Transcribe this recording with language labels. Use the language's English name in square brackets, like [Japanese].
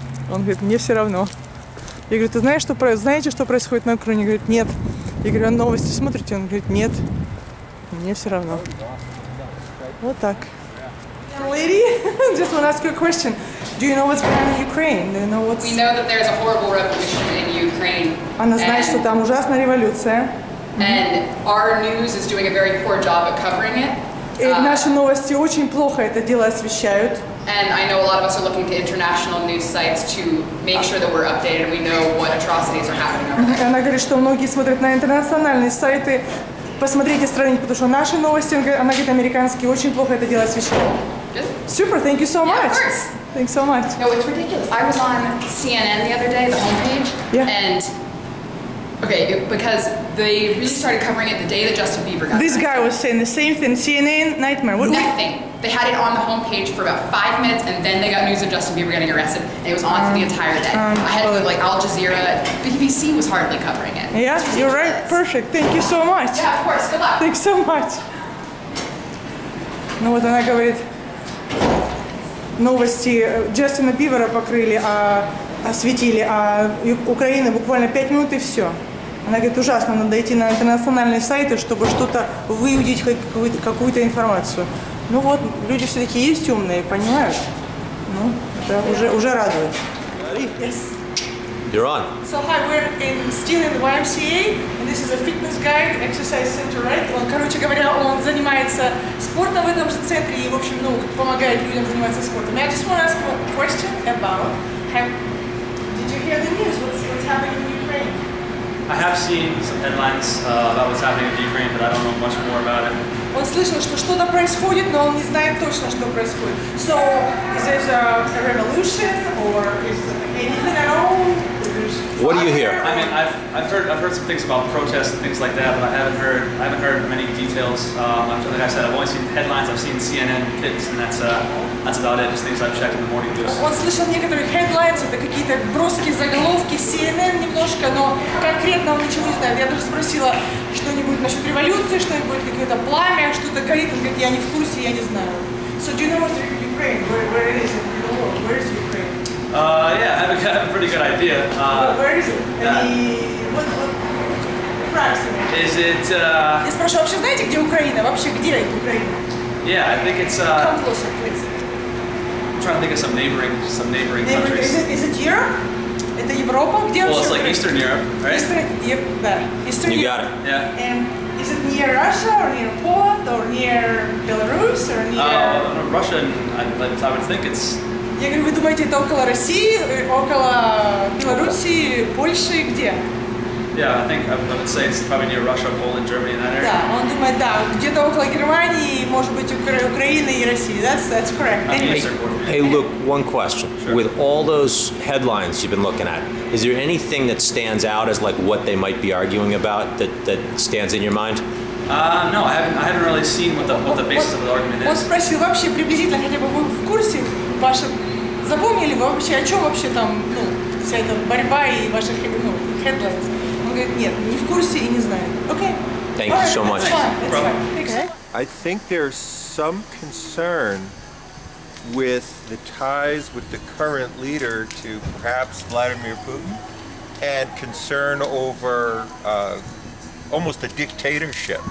[Russian] Он говорит, мне все равно. Я говорю, ты знаешь, знаете, что происходит на Украине? Он говорит, нет. Я говорю, а новости смотрите? Он говорит, нет. Мне все равно. Вот так. [English] Lady, just want to ask you a question. Do you know what's going on in Ukraine? Do you know what's... We know that there's a horrible revolution in Ukraine. [Russian] Она знает, что там ужасная революция. [English] And our news is doing a very poor job at covering it. [Russian] И наши новости очень плохо это дело освещают. [English] And I know a lot of us are looking to international news sites to make sure that we're updated and we know what atrocities are happening. [Russian] Она говорит, что многие смотрят на интернациональные сайты. Посмотрите страницу, потому что наши новости, она говорит, американские, очень плохо это дело освещают. [English] Super, thank you so much. Yeah, of course. Thanks so much. No, it's ridiculous. I was on CNN the other day, the homepage, yeah. And okay, because they really started covering it the day that Justin Bieber got this back. Guy was saying the same thing, CNN, nightmare. What nothing. We... They had it on the homepage for about 5 minutes, and then they got news of Justin Bieber getting arrested, and it was on for the entire day. I had like Al Jazeera, BBC was hardly covering it. Yeah, you're right, perfect. Thank you so much. Yeah, of course, good luck. Thanks so much. No, what did I cover it? [Russian] Новости Джастина Бивера покрыли, осветили, а Украина буквально 5 минут и все. Она говорит, ужасно, надо идти на интернациональные сайты, чтобы что-то выудить, какую-то информацию. Ну вот, люди все-таки есть умные, понимают. Ну, это уже радует. [English] You're on. So hi, we're in still in the YMCA, and this is a fitness guide, exercise center, right? [Russian] Он, короче говоря, он занимается спортом в этом же центре и, в общем, ну, помогает людям заниматься спортом. [English] And I just want to ask a question about, did you hear the news? What's happening in Ukraine? I have seen some headlines about what's happening in Ukraine, but I don't know much more about it. [Russian] Он слышал, что что-то происходит, но он не знает точно, что происходит. [English] So, is there a revolution or is anything at all? What do you hear? I mean, I've heard some things about protests and things like that, but I haven't heard many details. Like I said, I've only seen headlines. I've seen CNN clips, and that's about it. Just things I've checked in the morning news. [Russian] Он слышал некоторые headlines, это какие-то броски, заголовки, CNN немножко, но конкретно он ничего не знает. Я даже спросила что-нибудь насчет революции, что-нибудь какое-то пламя, что-то горит. Он говорит, я не в курсе, я не знаю. [English] So do you know what's in Ukraine? Where is it? Where is Ukraine? I have a pretty good idea. Where is it? What is it? [Russian] Я спрашиваю, вообще знаете, где Украина? Вообще, где это Украина? [English] Yeah, I think it's... Come closer, please. I'm trying to think of some neighboring countries. Is it Europe? [Russian] Это Европа? Где [English] Well, it's like Eastern Europe, right? Eastern Europe. You got Europe. It. Yeah. And is it near Russia or near Poland or near Belarus or near... Russia, I would think it's... [Russian] Я говорю, вы думаете, это около России, около Белоруссии, Польши, где? [English] Yeah, I think I would say it's probably near Russia, Poland, Germany, in that area. [Russian] Да, он думает, да, где-то около Германии, может быть, Украины и России. [English] That's correct. Hey, look, one question. Sure. With all those headlines you've been looking at, is there anything that stands out as like what they might be arguing about that stands in your mind? No, I haven't really seen what the basis of the argument is. [Russian] Он спросил вообще приблизительно, хотя бы вы в курсе? Ваши запомнили вообще, о чем вообще там, ну, вся эта борьба и ваши headlines? Он говорит, нет, не в курсе и не знаю. [English] Okay. Thank you so much. I think there's some concern with the ties with the current leader to perhaps Vladimir Putin, and concern over almost a dictatorship.